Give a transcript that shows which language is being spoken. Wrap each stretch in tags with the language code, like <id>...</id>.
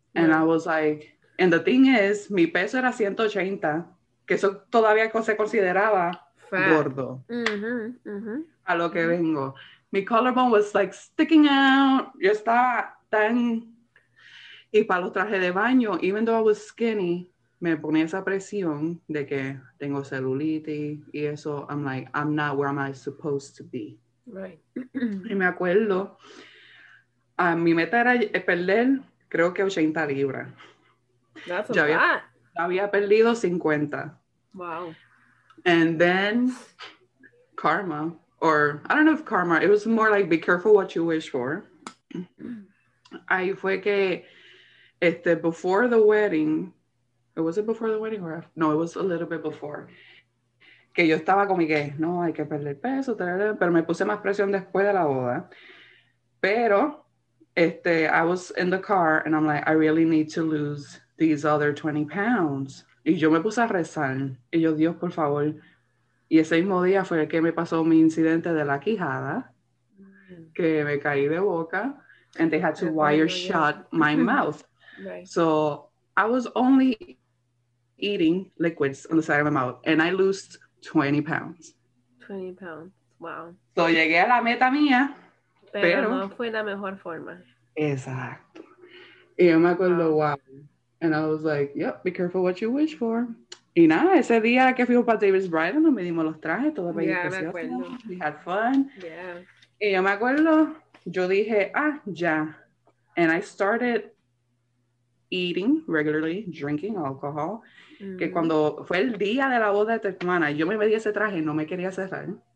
<es>And yeah. I was and the thing is, mi peso era 180, que eso todavía se consideraba fat. Gordo. Mm-hmm, mm-hmm. A lo que mm-hmm. vengo. Mi collarbone was sticking out. Yo estaba tan... Y para los trajes de baño, even though I was skinny, me ponía esa presión de que tengo celulitis y eso.</es> <en>I'm like, I'm not where am I supposed to be. Right.</en> <es>Y me acuerdo, mi meta era perder, creo que 80 libras. Ya había perdido 50.</es> <en>Wow. And then, karma, or I don't know if karma, it was more be careful what you wish for. Ahí fue que... before the wedding, was it before the wedding or after? No, it was a little bit before.</en> <es>Que yo estaba como que, no, hay que perder peso, tarara, pero me puse más presión después de la boda.</es> <en>Pero, I was in the car and I'm like, I really need to lose these other 20 pounds.</en> <es>Y yo me puse a rezar. Y yo, Dios, por favor. Y ese mismo día fue el que me pasó mi incidente de la quijada, que me caí de boca.</es> <en>And they had to shut my mouth. Right. So I was only eating liquids on the side of my mouth and I lost 20 pounds. 20 pounds. Wow.</en> <es>So llegué a la meta mía. Pero no fue la mejor forma. Exacto. Y yo me acuerdo, wow.</es> <en>And I was like, yep, be careful what you wish for.</en> <es>Y nada, ese día que fuimos para David's Bridal, nos medimos los trajes, todo bello precioso. Yeah, me acuerdo.</es> <en>We had fun. Yeah.</en> <es>Y yo me acuerdo, yo dije, ah, ya. And I started eating regularly, drinking alcohol. Mm-hmm. Que cuando fue el día de la boda de tu hermana, yo me medí ese traje, no me quería cerrar.</es>